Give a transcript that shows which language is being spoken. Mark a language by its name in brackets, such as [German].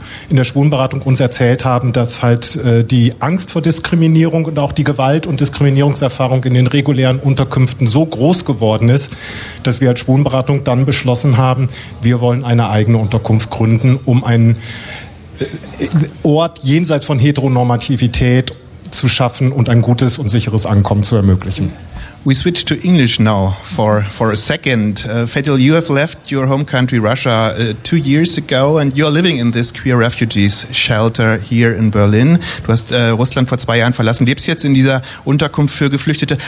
[German] in der Schwulenberatung uns erzählt haben, dass halt die Angst vor Diskriminierung und auch die Gewalt- und Diskriminierungserfahrung in den regulären Unterkünften so groß geworden ist, dass wir als Schwulenberatung dann beschlossen haben, wir wollen eine eigene Unterkunft gründen, um einen Ort jenseits von Heteronormativität zu schaffen und ein gutes und sicheres Ankommen zu ermöglichen. [English] We switch to English now for a second. Fatal, you have left your home country, Russia, 2 years ago, and you're living in this queer refugees shelter here in Berlin. [German] Du hast Russland vor 2 Jahren verlassen, lebst jetzt in dieser Unterkunft für Geflüchtete.